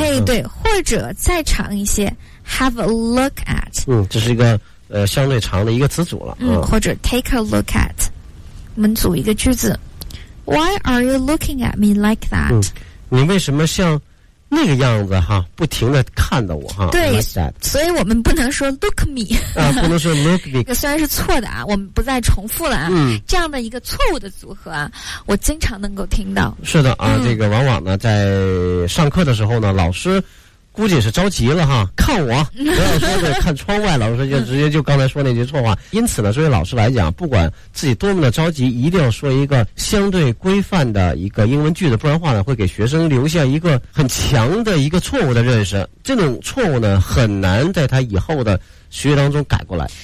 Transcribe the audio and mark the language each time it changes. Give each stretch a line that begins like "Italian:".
Chinese: 哎，对或者再长一些
English: have a look at
Chinese: 嗯，这是一个相对长的一个词组了或者
English: take a look at
Chinese: 我们组一个句子
English: why are you looking at me like that、
Chinese: 嗯、你为什么像那个样子哈不停的看着我哈对、
English: like、that
Chinese: 所以我们不能说
English: look me
Chinese: 啊，不能说
English: look me
Chinese: 虽然是错的啊我们不再重复了啊、嗯、这样的一个错误的组合啊我经常能够听到是的啊、嗯、这个往往呢在上课的时候呢老师估计是着急了哈看我不要说是看窗外老师就直接就刚才说那句错话因此呢作为老师来讲不管自己多么的着急一定要说一个相对规范的一个英文句子不然话呢会给学生留下一个很强的一个错误的认识这种错误呢很难在他以后的学习当中改过来